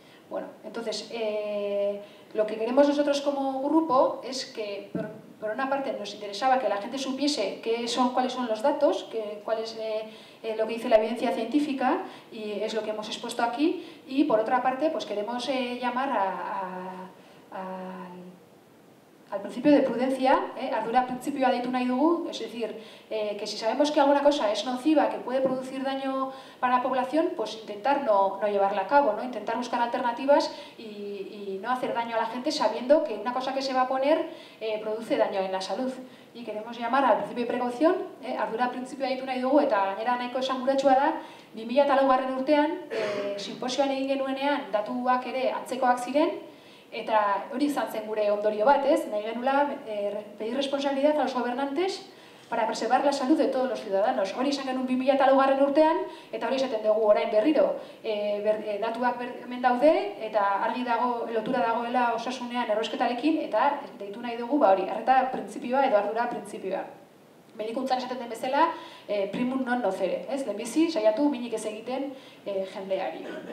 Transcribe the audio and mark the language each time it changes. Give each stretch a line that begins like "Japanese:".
Spanish: Bueno, entonces, lo que queremos nosotros como grupo es que, por una parte, nos interesaba que la gente supiese cuáles son los datos, cuál es lo que dice la evidencia científica, y es lo que hemos expuesto aquí, y por otra parte, pues queremos llamar al principio de prudencia,
Basque: ardura principio deitu nahi dugu,
Spanish: es decir, que si sabemos que alguna cosa es nociva, que puede producir daño para la población, pues intentar no llevarla a cabo, ¿no? Intentar buscar alternativas y no hacer daño a la gente sabiendo que una cosa que se va a poner produce daño en la salud. Y queremos llamar al principio de precaución,
Basque: ardura principio deitu nahi dugu, eta gainera nahiko esanguratsua da, 2004 urtean, simposioan egin genuenean, datuak ere antzekoak ziren, eta hori izan zen gure ondorio bat, ez? Nahi genula
Spanish: pedir responsabilidad a los gobernantes para preservar la salud de todos los ciudadanos.
Basque: Hori izan genuen 2004 urtean, eta hori izaten dugu orain berriro. Datuak hemen daude, eta argi dago, lotura dagoela osasunean errosketarekin, eta deitu nahi dugu, hori, arreta printzipioa edo ardura printzipioa. Medikuntzan esaten den bezala,
Latin: primum non nocere,
Basque: ez? Lehenbizi, saiatu, minik ez egiten jendeari.